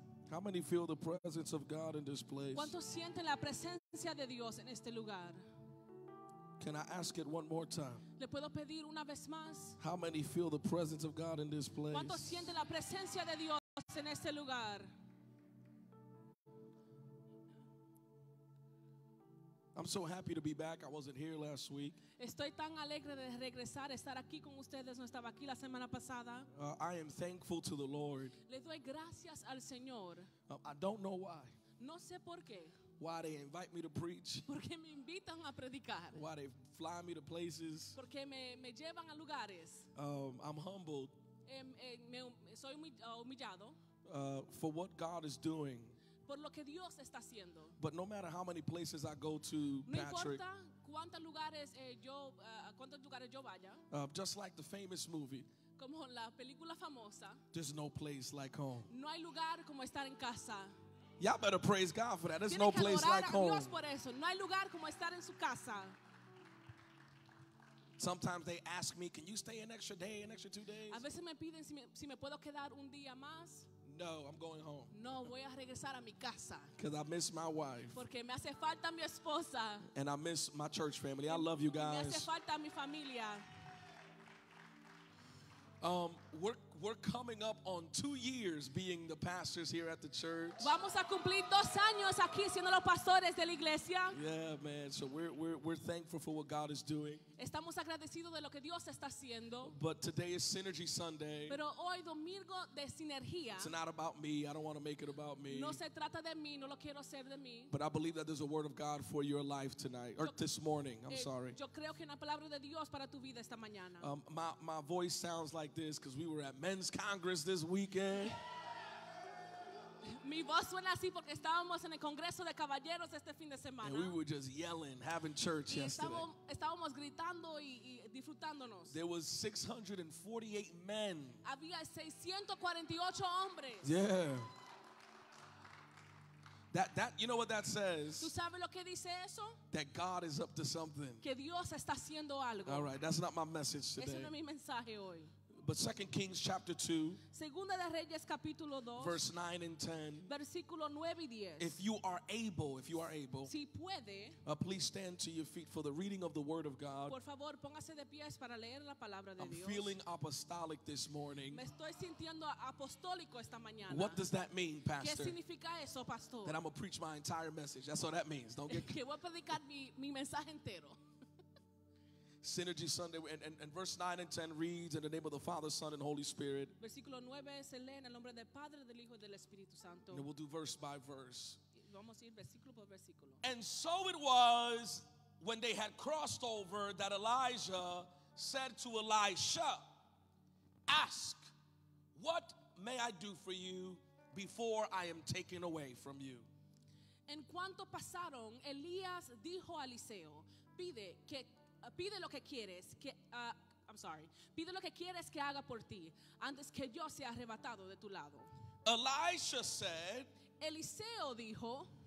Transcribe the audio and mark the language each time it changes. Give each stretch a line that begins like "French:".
English: How many feel the presence of God in this place?
Spanish: ¿Cuántos sienten la presencia de Dios en este lugar?
English: Can I ask it one more time?
Spanish: ¿Le puedo pedir una vez más?
English: How many feel the presence of God in this place?
Spanish: ¿Cuántos sienten la presencia de Dios en este lugar?
English: I'm so happy to be back. I wasn't here last week.
Spanish: Estoy tan alegre de regresar, estar aquí con ustedes. No estaba aquí la semana pasada.
English: I am thankful to the Lord.
Spanish: Le doy gracias al Señor.
English: I don't know why.
Spanish: No sé por qué.
English: Why they invite me to preach.
Spanish: Porque me invitan a predicar.
English: Why they fly me to places.
Spanish: Porque me llevan a lugares.
English: I'm humbled.
Spanish: Soy humillado.
English: For what God is doing.
Spanish: Por lo que Dios está haciendo.
English: But no matter how many places I go to, Patrick.
Spanish: No importa cuántos lugares yo vaya.
English: Just like the famous movie.
Spanish: Como la película famosa.
English: There's no place like home.
Spanish: No hay lugar como estar en casa.
English: Y'all better praise God for that. There's no place like home.
Spanish: Tiene que adorar a Dios por eso. No hay lugar como estar en su casa.
English: Sometimes they ask me, "Can you stay an extra day, an extra 2 days?"
Spanish: A veces me piden si me puedo quedar un día más.
English: No, I'm going home.
Spanish: No, voy a regresar a mi casa.
English: Because I miss my wife.
Spanish: Porque me hace falta mi esposa.
English: And I miss my church family. I love you guys.
Spanish: Me hace falta mi familia.
English: We're coming up on 2 years being the pastors here at the church.
Spanish: Vamos a cumplir 2 años aquí siendo los pastores de la iglesia.
English: Yeah, man. So we're thankful for what God is doing.
Spanish: Estamos agradecidos de lo que Dios está haciendo.
English: But today is Synergy Sunday.
Spanish: Pero hoy domingo de sinergia.
English: It's not about me. I don't want to make it about me.
Spanish: No se trata de mí. No lo quiero hacer de mí.
English: But I believe that there's a word of God for your life tonight, or this morning. I'm sorry.
Spanish: Yo creo que una palabra de Dios para tu vida esta mañana.
English: My voice sounds like this because we were at Men's Congress this weekend.
Spanish: mi voz suena así porque estábamos en el Congreso de Caballeros este fin de semana.
English: And we were just yelling, having church
Spanish: y
English: yesterday.
Spanish: Estábamos gritando y disfrutándonos.
English: There was 648 men.
Spanish: Había 648 hombres.
English: Yeah. That you know what that says?
Spanish: ¿Tú sabes lo que dice eso?
English: That God is up to something.
Spanish: Que Dios está haciendo algo.
English: All right, that's not my message today.
Spanish: Ese no es mi mensaje hoy.
English: But 2 Kings chapter 2,
Spanish: Segunda de Reyes, capítulo 2,
English: verse 9 and 10,
Spanish: versículo 9 y 10.
English: If you are able,
Spanish: si puede,
English: please stand to your feet for the reading of the Word of God.
Spanish: Por favor, póngase de pies para leer la palabra de
English: I'm
Spanish: Dios.
English: Feeling apostolic this morning.
Spanish: Me estoy sintiendo apostólico esta mañana.
English: What does that mean, Pastor?
Spanish: ¿Qué significa eso, Pastor?
English: That I'm going to preach my entire message. That's what that means. Don't get
Spanish: que voy a predicar mi mensaje entero.
English: Synergy Sunday, and verse 9 and 10 reads, in the name of the Father, Son, and Holy Spirit.
Spanish: Versículo 9 se lee en el nombre del Padre, del Hijo y del Espíritu Santo.
English: And we'll do verse by verse.
Spanish: Vamos a ir versículo por versículo.
English: And so it was when they had crossed over that Elijah said to Elisha, ask, what may I do for you before I am taken away from you?
Spanish: En cuanto pasaron, Elías dijo a Eliseo, pide que... Pide lo que quieres que,
English: I'm sorry.
Spanish: Pide lo que quieres que haga por ti antes que yo sea arrebatado de tu lado.
English: Elisha said,
Spanish: Eliseo dijo,